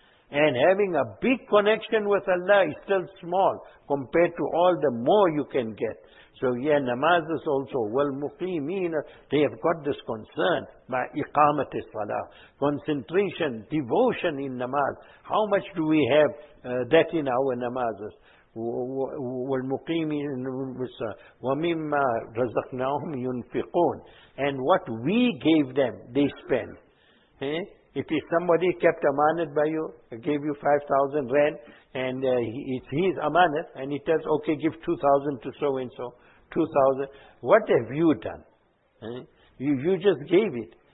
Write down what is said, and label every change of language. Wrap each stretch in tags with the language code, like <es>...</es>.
<en>And having a big connection with Allah is still small compared to all the more you can get. So yeah, namaz is also, well, muqimeen, they have got this concern by iqamat salah, concentration, devotion in namaz. How much do we have that in our namazes?</en> <ar>والمقيمين ومما رزقناهم ينفقون.</ar> <en>And what we gave them, they spend. If somebody kept amanat by you, gave you 5,000 rand, and it's his amanat, and he tells, okay, give 2,000 to so and so, 2,000. What have you done? You just gave it.</en>